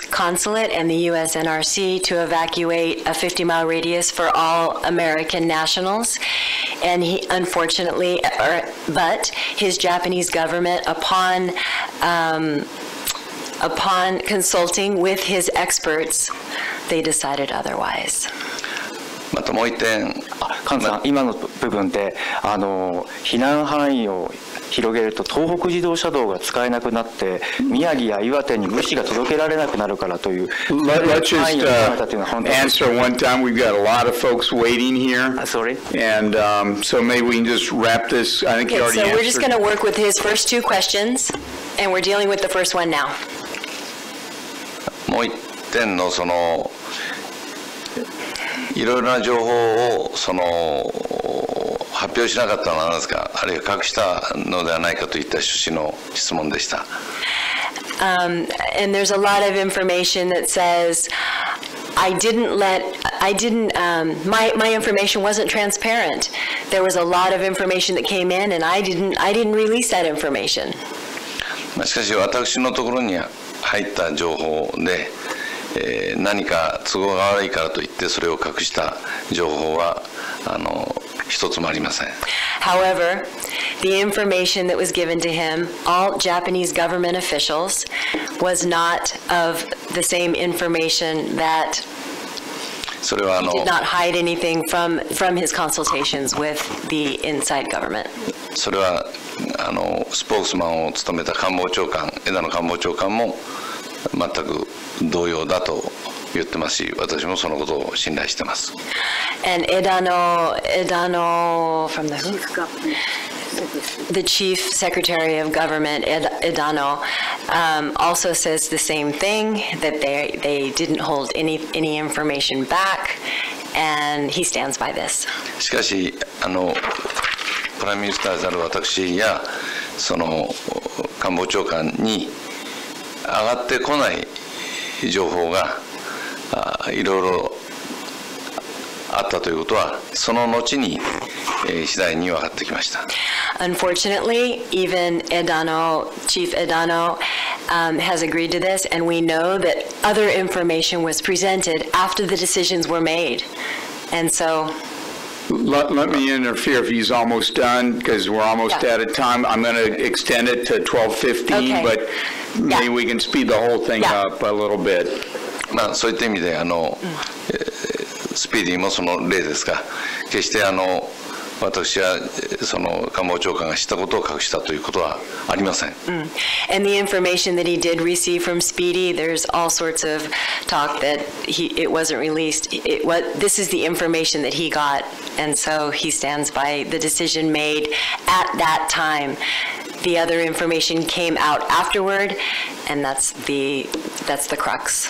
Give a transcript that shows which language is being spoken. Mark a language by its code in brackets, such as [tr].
[en] consulate and the USNRC to evacuate a 50-mile radius for all American nationals. And he, unfortunately, but his Japanese government, upon consulting with his experts, they decided otherwise. [ja] またもう一点、菅さん、今の部分で、避難範囲を広げると東北自動車道が使えなくなって宮城や岩手に物資が届けられなくなるからという [en] answer one time. We've got a lot of folks waiting here. Sorry. And so maybe we can just wrap this. I think you already answered. So we're just going to work with his first two questions, and we're dealing with the first one now. [ja] もう一点のそのいろいろな情報をその発表しなかったのは何ですか、あるいは隠したのではないかといった趣旨の質問でした。 [en] And there's a lot of information that says I didn't let, I didn't, my information wasn't transparent. There was a lot of information that came in and I didn't release that information. [ja] しかし私のところに入った情報で何か都合が悪いからといってそれを隠した情報は一つもありません。 [en] However, the information that was given to him, all Japanese government officials, was not of the same information that [ja] それは [en] did not hide anything from his consultations with the inside government. [ja] それはスポークスマンを務めた官房長官、枝野官房長官も全く同様だと言ってますし、私もそのことを信頼してます。 [en] And Edano from the chief the chief secretary of government Edano also says the same thing that they didn't hold any information back, and he stands by this. [ja] しかし、プライムミニスターである私やその官房長官に上がってこない情報がいろいろあったということはその後に次第に分かってきました。 [en] Unfortunately, even Edano, Chief Edano, has agreed to this, and we know that other information was presented after the decisions were made. And so. Let me interfere if he's almost done, because we're almost out of time. I'm going to extend it to 12:15, okay. But maybe we can speed the whole thing up a little bit. [ja] まあ、そういった意味で、スピーディーもその例ですが、決して私はその官房長官が知ったことを隠したということはありません。 [en] And the information that he did receive from Speedy, there's all sorts of talk that it wasn't released. This is the information that he got, and so he stands by the decision made at that time. The other information came out afterward, and that's the crux.